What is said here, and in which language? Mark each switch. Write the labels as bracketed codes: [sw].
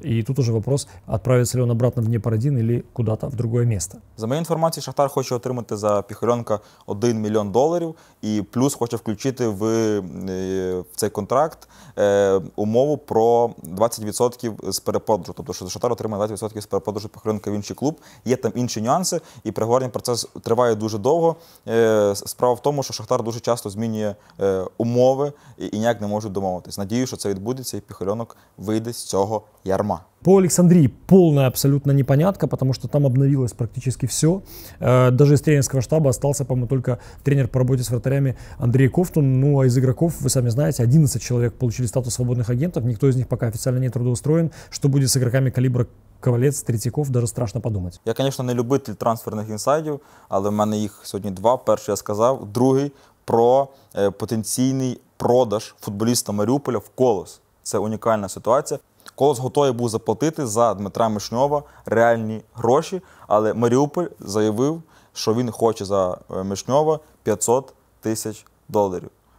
[ru] И тут уже вопрос, отправится ли он обратно в Днепр-1 или куда-то в другое место. За моей информацией, [uk] Шахтар хочет отримати за Пихаленко 1 миллион долларов и плюс хочет включить в цей контракт умову про 20% з переподажу. Тобто, що Шахтар отримає 20% з переподажу Пихаленка в інший клуб. Є там інші нюанси, і переговорний процес триває дуже довго. Справа в тому, що Шахтар дуже часто змінює умови і ніяк не можуть домовитись. Надію, що це відбудеться, і Пихаленок вийде з цього ярма. [ru] По Александрии полная абсолютно непонятка, потому что там обновилось практически все. Даже из тренерского штаба остался, по-моему, только тренер по работе с вратарями Андрей Кофтун. Ну, а из игроков, вы сами знаете, 11 человек получили статус свободных агентов. Никто из них пока официально не трудоустроен. Что будет с игроками калибра Ковалець, Третьяков, даже страшно подумать. Я, конечно, не любитель трансферных [uk] інсайдів, але в мене їх сьогодні два. Перший я сказав, другий про потенційний продаж футболіста Маріуполя в Колос. Це унікальна ситуація. Колос готовий був заплатити за Дмитра Мишньова реальні гроші, але Маріуполь заявив, що він хоче за Мишньова 500 тисяч доларів.